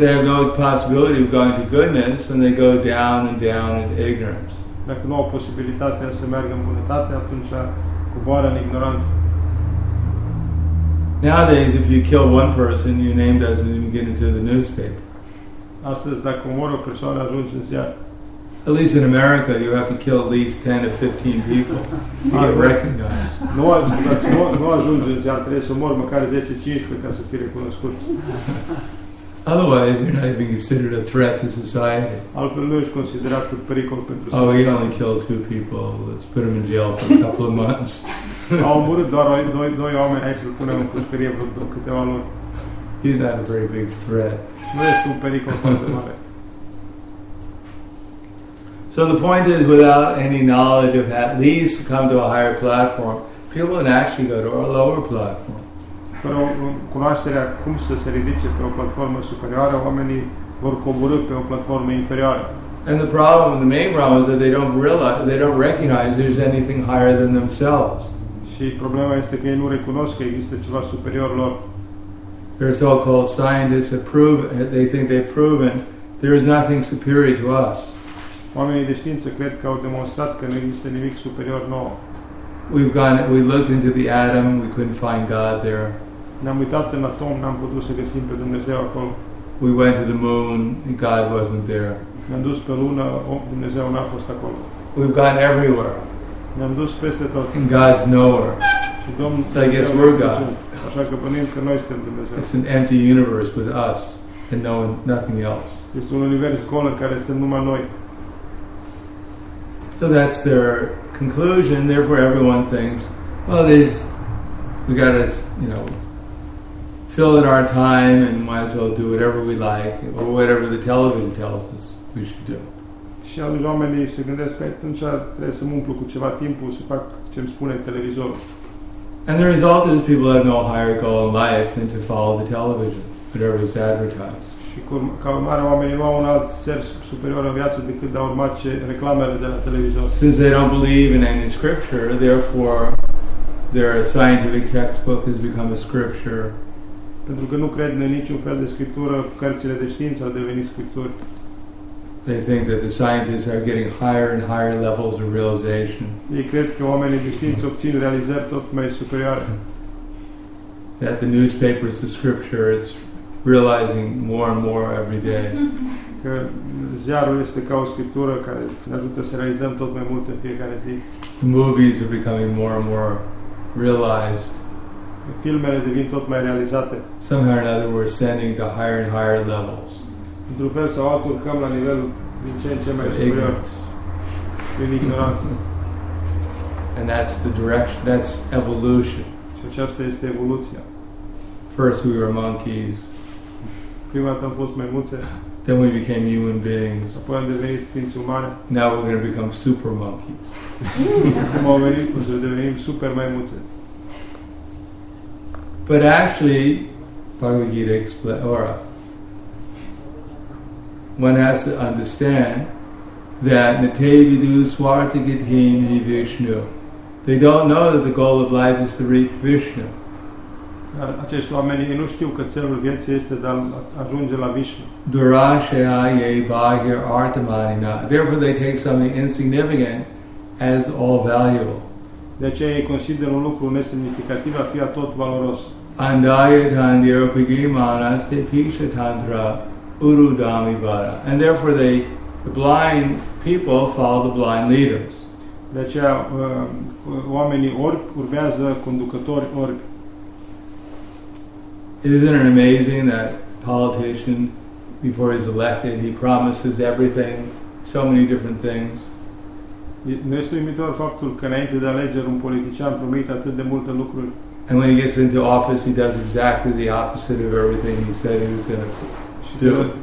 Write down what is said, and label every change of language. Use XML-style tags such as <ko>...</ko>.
<en>they have no possibility of going to goodness, then they go down and down in ignorance.</en> <ro>Dacă nu au posibilitatea să meargă în bunătate, atunci coboară în ignoranță.</ro> <en>Nowadays, if you kill one person, your name doesn't even get into the newspaper.</en> <ro>Astăzi, dacă omori o persoană, ajunge în ziar.</ro> <en>At least in America, you have to kill at least 10 to 15 people to get recognized.</en> <ro>Nu ajunge în ziar, trebuie să omori măcar 10-15 ca să fie recunoscut.</ro> <en>Otherwise, you're not even considered a threat to society.</en> <ro>Altfel nu ești considerat un pericol pentru</ro> <en>societate. Oh, he only killed 2 people. Let's put him in jail for a couple of months.</en> <ro>Au omorât doar doi oameni, hai să-l punem în pușcărie vreo câteva luni.</ro> <en>He's not a very big threat.</en> <ro>Nu ești un pericol foarte mare.</ro> <en>So the point is, without any knowledge of at least come to a higher platform, people can actually go to a lower platform.</en> <ro>Fără cunoașterea cum să se ridice pe o platformă superioară, oamenii vor coborâ pe o platformă inferioară.</ro> <en>And the problem, the main problem, is that they don't recognize there's anything higher than themselves.</en> <ro>Și problema este că ei nu recunosc că există ceva superior lor.</ro> <en>Their so-called scientists have proven, they think they've proven, there is nothing superior to us.</en> <ro>Oamenii de știință cred că au demonstrat că nu există nimic superior nouă.</ro> <en>We looked into the atom, we couldn't find God there.</en> <ro>Ne-am uitat în atom, n-am putut să găsim pe Dumnezeu acolo.</ro> <en>We went to the moon, and God wasn't there.</en> <ro>Ne-am dus pe lună, Dumnezeu n-a fost acolo.</ro> <en>We've gone everywhere.</en> <ro>Ne-am dus peste tot.</ro> <en>And God's nowhere.</en> <ro>Și Domnul,</ro> <en>so I guess we're God.</en> <ro>Așa că bănim că noi suntem Dumnezeu.</ro> <en>It's an empty universe with us and no nothing else.</en> <ro>Este un univers gol în care suntem numai noi.</ro> <en>So that's their conclusion. Therefore, everyone thinks, well, there's, we got to, you know, fill in our time and might as well do whatever we like or whatever the television tells us we should do.</en> <ro>Și atunci oamenii se gândesc, păi atunci trebuie să mă umplu cu ceva timpul, să fac ce îmi spune televizorul.</ro> <en>And the result is people have no higher goal in life than to follow the television, whatever is advertised.</en> <ro>Și ca urmare, oamenii nu au un alt sens superior în viață decât de a urma ce reclamele de la televizor.</ro> <en>Since they don't believe in any scripture, therefore their scientific textbook has become a scripture.</en> <ro>Pentru că nu cred în niciun fel de scriptură, cărțile de știință au devenit scripturi.</ro> <en>They think that the scientists are getting higher and higher levels of realization.</en> <ro>Ei cred că oamenii de știință obțin realizări tot mai superioare.</ro> <en>That the newspaper is the scripture, it's realizing more and more every day.</en> <ro>Că ziarul este ca o scriptură care ne ajută să realizăm tot mai mult în fiecare zi.</ro> <en>The movies are becoming more and more realized.</en> <ro>Filmele devin tot mai realizate.</ro> <en>Somehow or another we're ascending to higher and higher levels.</en> <ro>Într-un fel sau altul urcăm la nivel din ce în ce mai superior. Prin ignoranță.</ro> <en>And that's the direction, that's evolution.</en> <ro>Și aceasta este evoluția.</ro> <en>First we were monkeys.</en> <ro>Prima dată am fost maimuțe.</ro> <en>Then we became human beings.</en> <ro>Apoi am devenit ființe umane.</ro> <en>Now we're going to become super monkeys.</en> <ro>Acum am venit, o să devenim super maimuțe.</ro> <en>But actually, Bhagavad Gita explains, or one has to understand that</en> <sa>Nite Vidu Swarta Gidhin Hi Vishnu.</sa> <en>They don't know that the goal of life is to reach Vishnu.</en> <ro>Acești oameni nu știu că țelul vieții este de a ajunge la Vishnu.</ro> <sa>Durashaya ye bahir artamanina.</sa> <en>Therefore they take something insignificant as all valuable.</en> <ro>De aceea ei consideră un lucru nesemnificativ a fi a tot valoros.</ro> <sa>Andayatan dhyopigimana ste pishatantra urudami vara.</sa> <en>And therefore they, the blind people follow the blind leaders.</en> <ro>De aceea oamenii orbi urmează conducători orbi.</ro> <en>Isn't it amazing that politician, before he's elected, he promises everything, so many different things?</en> <ro>Nu este uimitor faptul că înainte de alegeri un politician promite atât de multe lucruri.</ro> <en>And when he gets into office, he does exactly the opposite of everything he said he was going to do.</en>